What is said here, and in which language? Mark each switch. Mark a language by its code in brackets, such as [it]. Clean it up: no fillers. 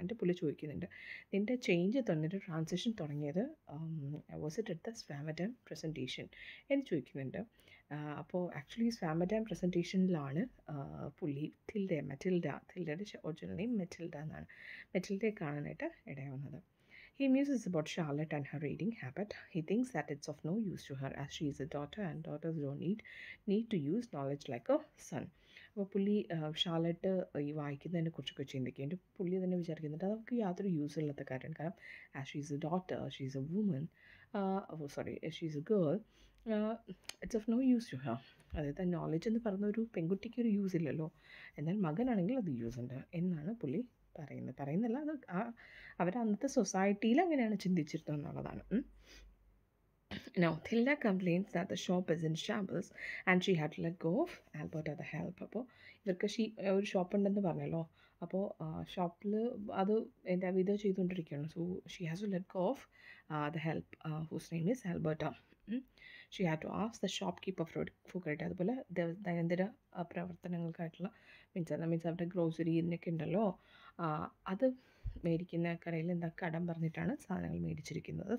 [ml] എൻ്റെ പുള്ളി ചോദിക്കുന്നുണ്ട് നിൻ്റെ ചേഞ്ച് തന്നിട്ട് ട്രാൻസിഷൻ തുടങ്ങിയത് [en] was it at the സ്വാമ time presentation [ml] എന്ന് ചോദിക്കുന്നുണ്ട്. അപ്പോൾ ആക്ച്വലി സ്വാമ ടൈം പ്രസൻറ്റേഷനിലാണ് പുള്ളി തിൽഡ മെറ്റിൽഡ തിൽഡയുടെ ഒറിജിനൽ നെയിം മെറ്റിൽഡ എന്നാണ് മെറ്റിൽഡയെ കാണാനായിട്ട് ഇടയാവുന്നത്. [en] He muses about Charlotte and her reading habit. He thinks that it's of no use to her as she is a daughter and daughters don't need to use knowledge like a son. [ml] അപ്പോൾ പുള്ളി Charlotte ഈ വായിക്കുന്നതിനെ കുറിച്ചൊക്കെ ചിന്തിക്കുക. എൻ്റെ പുള്ളി തന്നെ വിചാരിക്കുന്നുണ്ട് അതൊക്കെ യാതൊരു യൂസ് ഇല്ലാത്ത കാര്യം, കാരണം [en] As she is a daughter, she is a woman, sorry she is a girl, it's of no use to her. [ml] അതായത് ആ നോളജ് എന്ന് പറയുന്ന ഒരു പെൺകുട്ടിക്ക് ഒരു യൂസ് ഇല്ലല്ലോ, എന്നാൽ മകനാണെങ്കിൽ അത് യൂസ് ഉണ്ട് എന്നാണ് പുള്ളി പറയുന്നില്ല. അത് അവരന്നത്തെ സൊസൈറ്റിയിൽ അങ്ങനെയാണ് ചിന്തിച്ചിരുന്നത് എന്നുള്ളതാണ്. [en] Now, Tilda complains that the shop is in shambles and she had to let go of Albert at the help. [ml] അപ്പോൾ ഇവർക്ക് ഷീ ഒരു ഷോപ്പ് ഉണ്ടെന്ന് പറഞ്ഞല്ലോ, അപ്പോൾ ഷോപ്പിൽ അത് എന്താ വിധ ചെയ്തുകൊണ്ടിരിക്കുകയാണ്. [en] So she has to let go of the help whose name is Alberta. She had to ask the shopkeeper for great. [ml] അതുപോലെ ദൈനംദിന പ്രവർത്തനങ്ങൾക്കായിട്ടുള്ള മീൻസ് അവരുടെ ഗ്രോസറിനൊക്കെ ഉണ്ടല്ലോ, അത് മേടിക്കുന്ന കടയിൽ എന്താ കടം പറഞ്ഞിട്ടാണ് സാധനങ്ങൾ മേടിച്ചിരിക്കുന്നത്.